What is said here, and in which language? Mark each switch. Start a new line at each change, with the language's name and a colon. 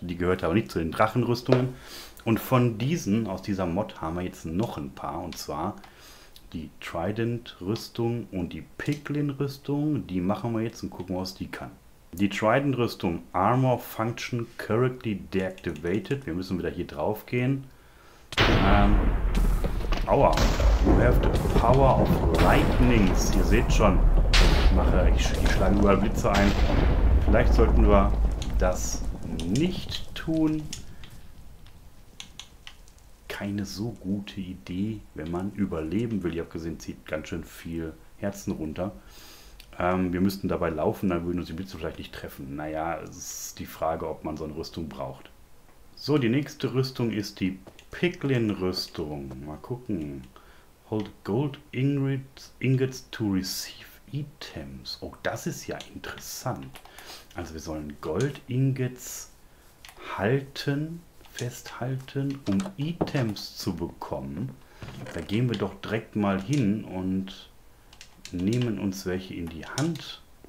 German: Die gehört aber nicht zu den Drachenrüstungen. Und von diesen, aus dieser Mod, haben wir jetzt noch ein paar. Und zwar die Trident-Rüstung und die Piglin-Rüstung. Die machen wir jetzt und gucken, was die kann. Die Trident-Rüstung,
English: Armor Function Currently Deactivated.
German: Wir müssen wieder hier drauf gehen. Aua,
English: you have the power of lightnings.
German: Ihr seht schon, ich schlage überall Blitze ein. Vielleicht sollten wir das nicht tun. Keine so gute Idee, wenn man überleben will. Ihr habt gesehen, zieht ganz schön viel Herzen runter. Wir müssten dabei laufen, dann würden uns die Blitze vielleicht nicht treffen. Naja, es ist die Frage, ob man so eine Rüstung braucht. So, die nächste Rüstung ist die Piglin-Rüstung. Mal gucken.
English: Hold Gold Ingots to receive Items.
German: Oh, das ist ja interessant. Also wir sollen Gold Ingots halten, festhalten, um Items zu bekommen. Da gehen wir doch direkt mal hin und nehmen uns welche in die Hand.